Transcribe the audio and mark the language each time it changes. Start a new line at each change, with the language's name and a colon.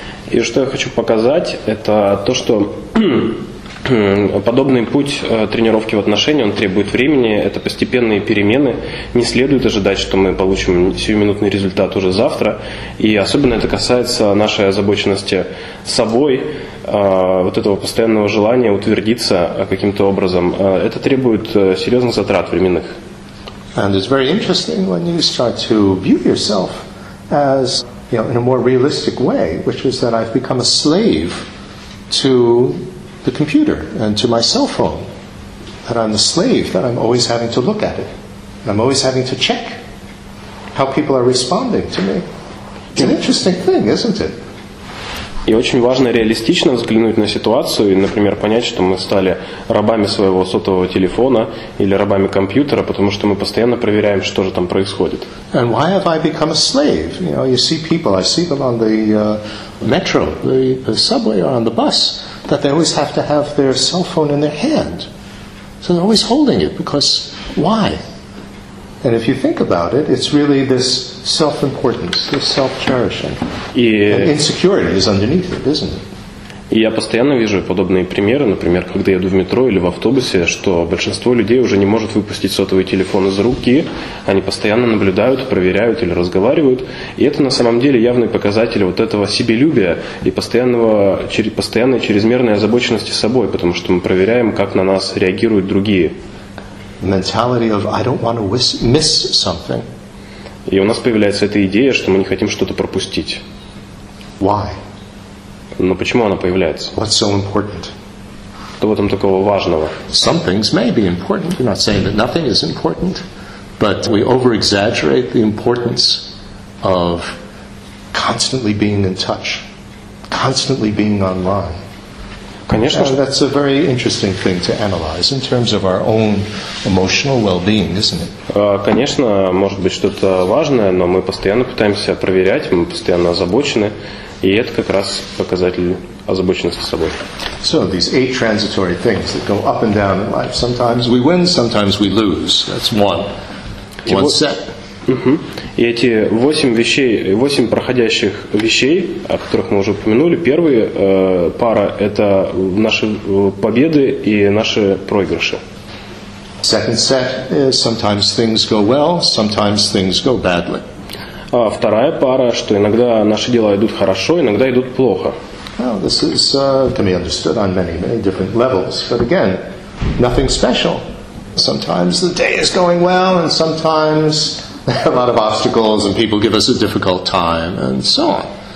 Russian: И что я хочу показать, это то, что подобный путь тренировки в отношении, он требует времени, это постепенные перемены. Не следует ожидать, что мы получим сиюминутный результат уже завтра. И особенно это касается нашей озабоченности собой, вот этого постоянного желания утвердиться каким-то образом. Это требует серьезных затрат временных.
English: And it's very interesting when you start to view yourself as, you know, in a more realistic way, which is that I've become a slave to the computer and to my cell phone. That I'm the slave, that I'm always having to look at it. And I'm always having to check how people are responding to me. It's an interesting thing, isn't it?
Russian: И очень важно реалистично взглянуть на ситуацию и, например, понять, что мы стали рабами своего сотового телефона или рабами компьютера, потому что мы постоянно проверяем, что же там происходит.
English: And why have I become a slave? You know, you see people, I see them on the metro, the subway or on the bus, that they always have to have their cell phone in their hand. So they're always holding it, because why? And if you think about it, it's really this self-importance, this self-cherishing.
Russian: И
English: insecurity is underneath it, isn't it?
Russian: И я постоянно вижу подобные примеры, например, когда еду в метро или в автобусе, что большинство людей уже не может выпустить сотовый телефон из руки, они постоянно наблюдают, проверяют или разговаривают. И это на самом деле явный показатель вот этого себелюбия и постоянной чрезмерной озабоченности собой, потому что мы проверяем, как на нас реагируют другие.
English: Mentality of I don't want to miss something.
Russian: И у нас появляется эта идея, что мы не хотим что-то пропустить.
English: Why?
Russian: Но почему она появляется?
English: What's so important?
Russian: Что в этом такого важного?
English: Some things may be important. We're not saying that nothing is important, but we over-exaggerate the importance of constantly being in touch, constantly being online.
Russian: Конечно.
English: And that's a very interesting thing to analyze in terms of our own emotional well-being, isn't it?
Russian: Конечно, может быть что-то важное, но мы постоянно пытаемся проверять, мы постоянно озабочены, и это как раз показатель озабоченности собой.
English: So these eight transitory things that go up and down in life. Sometimes we win, sometimes we lose. That's one. One set.
Russian: И эти восемь проходящих вещей, о которых мы уже упомянули, первые пара – это наши победы и наши проигрыши.
English: Second set is sometimes things go well, sometimes things go badly.
Russian: А вторая пара, что иногда наши дела идут хорошо, иногда идут плохо.
English: Well, this is, can be understood on many, many different levels, but again, nothing special. Sometimes the day is going well, and sometimes a lot of obstacles, and people give us a difficult time, and so on.